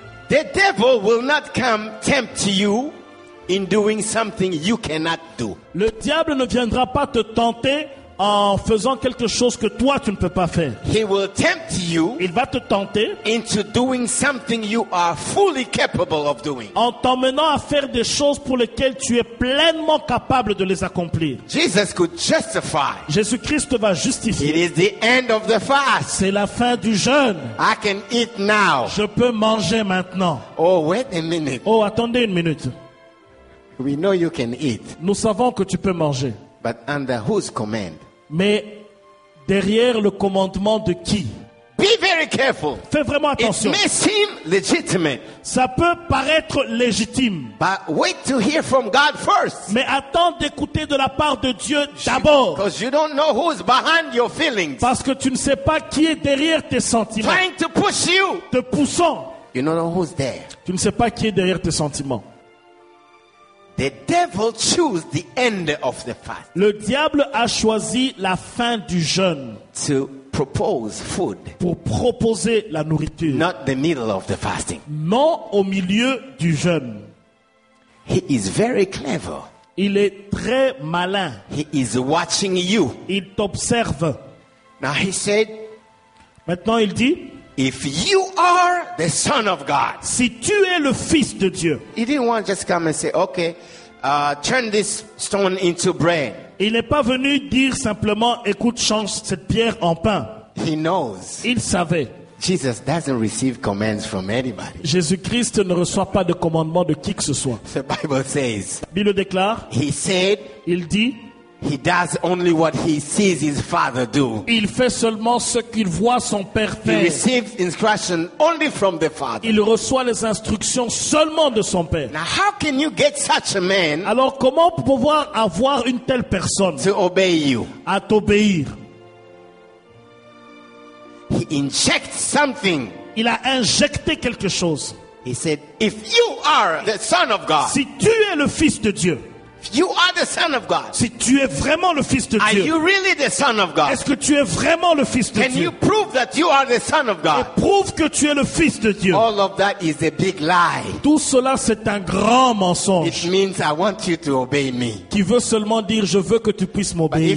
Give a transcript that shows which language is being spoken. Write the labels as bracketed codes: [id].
[en] The devil will not come tempt you in doing something you cannot do. [fr] Le diable ne viendra pas te tenter en faisant quelque chose que toi tu ne peux pas faire. [en] He will tempt you. [fr] Il va te tenter [en] into doing something you are fully capable of doing. [fr] En t'emmenant à faire des choses pour lesquelles tu es pleinement capable de les accomplir. [en] Jesus could justify. [fr] Jésus-Christ va justifier. [en] It is the end of the fast. [fr] C'est la fin du jeûne. [en] I can eat now. [fr] Je peux manger maintenant. [en] Oh, wait a minute. [fr] Oh, attendez une minute. [en] We know you can eat. [fr] Nous savons que tu peux manger. [en] But under whose command? [fr] Mais derrière le commandement de qui? [en] Be very careful. [fr] Fais vraiment attention. [en] It may seem legitimate. [fr] Ça peut paraître légitime. [en] But wait to hear from God first. [fr] Mais attends d'écouter de la part de Dieu d'abord. [en] Because you don't know who's behind your feelings. [fr] Parce que tu ne sais pas qui est derrière tes sentiments. [en] Trying to push you. [fr] Te poussant. [en] You don't know who's there. [fr] Tu ne sais pas qui est derrière tes sentiments. [en] The devil chose the end of the fast. [fr] Le diable a choisi la fin du jeûne. [en] To propose food. [fr] Pour proposer la nourriture. [en] Not the middle of the fasting. [fr] Non au milieu du jeûne. [en] He is very clever. [fr] Il est très malin. [en] He is watching you. [fr] Il t'observe. [en] Now he said. [fr] Maintenant il dit. [en] If you are the son of God. [fr] Si tu es le fils de Dieu. [en] He didn't want to just come and say, okay, turn this stone into bread. [fr] Il n'est pas venu dire simplement, écoute, change cette pierre en pain. [en] He knows. [fr] Il savait. [en] Jesus doesn't receive commands from anybody. [fr] Jésus-Christ ne reçoit pas de commandement de qui que ce soit. [en] The Bible says. [fr] Bible déclare. [en] He said. [fr] Il dit. [en] He does only what he sees his father do. [fr] Il fait seulement ce qu'il voit son père faire. [en] He receives instruction only from the father. [fr] Il reçoit les instructions seulement de son père. [en] Now how can you get such a man? [fr] Alors comment pouvoir avoir une telle personne? [en] To obey you. [fr] À t'obéir. [en] He injects something. [fr] Il a injecté quelque chose. [en] He said, "If you are the son of God." [fr] Si tu es le fils de Dieu. [en] If you are the son of God. [fr] Si tu es vraiment le fils de Dieu. [en] Are you really the son of God? [fr] Est-ce que tu es vraiment le fils de Dieu? [en] Can you prove that you are the son of God? [fr] Prouve que tu es le fils de Dieu. [en] All of that is a big lie. [fr] Tout cela c'est un grand mensonge. [en] It means I want you to obey me. [fr] Qui veut seulement dire je veux que tu puisses m'obéir.